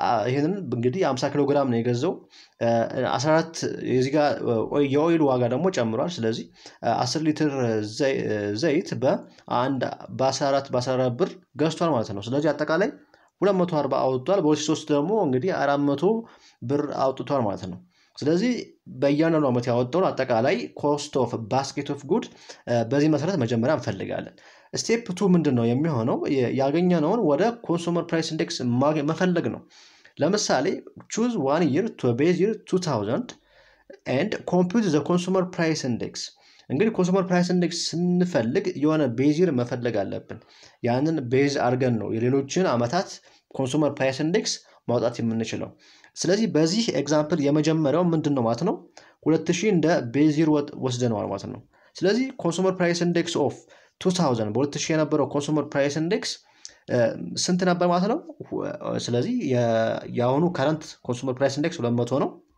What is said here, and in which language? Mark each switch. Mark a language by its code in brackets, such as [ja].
[am] ይሄንን እንግዲህ 50 ኪሎ ግራም ነው የገዘው 14 እዚህ ጋር የኦይል ዋጋ ደግሞ ጨምሯል። ስለዚህ 10 ሊትር ዘይት በ14 ብር ገዝቷል ማለት ነው። ስለዚህ አጠቃላይ 240 አውጥቷል። በ3 ደግሞ እንግዲህ 400 ብር አውጥቷል ማለት ነው። ስለዚህ በእያንዳንዱ አመት ያወጣው አጠቃላይ ኮስት ኦፍ ባስኬት ኦፍ ጉድ በዚህ መሰረት መጀመሪያ እንፈልጋለን። ስቴፕ 2 ምንድነው የሚሆነው? ያገኘነውን ወደ ኮንሱመር ፕራይስ ኢንዴክስ መፈለግ ነው። ለምሳሌ [en] choose one year to base year 2000 and compute the consumer price index. [am] እንግዲህ ኮንሱመር ፕራይስ ኢንዴክስ ስንፈልግ የሆነ ቤዝ ይር መፈለግ አለብን። ያንን ቤዝ አርገን ነው የሌሎችን አመታት ኮንሱመር ፕራይስ ኢንዴክስ ማውጣት የምንችለው። ስለዚህ በዚህ ኤግዛምፕል የመጀመሪያው ምንድነው ማለት ነው? 2000 እንደ ቤዝ ይር ወስደናል ማለት ነው። ስለዚህ ኮንሱመር ፕራይስ ኢንዴክስ ኦፍ 2000 በ2000 የነበረው ኮንሱመር ፕራይስ ኢንዴክስ ስንት ነበር ማለት ነው? ስለዚህ የአሁኑ ከረንት ኮንሱመር ፕራይስ ኢንዴክስ 200 ነው።